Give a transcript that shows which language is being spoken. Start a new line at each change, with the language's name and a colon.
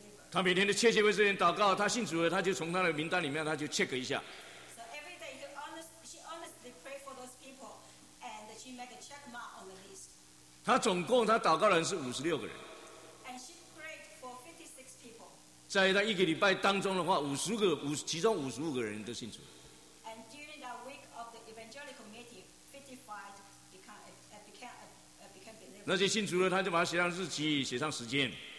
Chinese: 他每天都切切为这人祷告，他信主了，他就从他的名单里面，他就 check 一下。
English: So every day she honestly pray for those people, and she make a check mark on the list.
Chinese: 他总共他祷告的人是56个人。
English: And she prayed for 56 people.
Chinese: 在他一个礼拜当中的话，其中55个人都信主了。
English: And during that week of the evangelical meeting, 55 became believers.
Chinese: 那些信主了，他就把它写上日期，写上时间。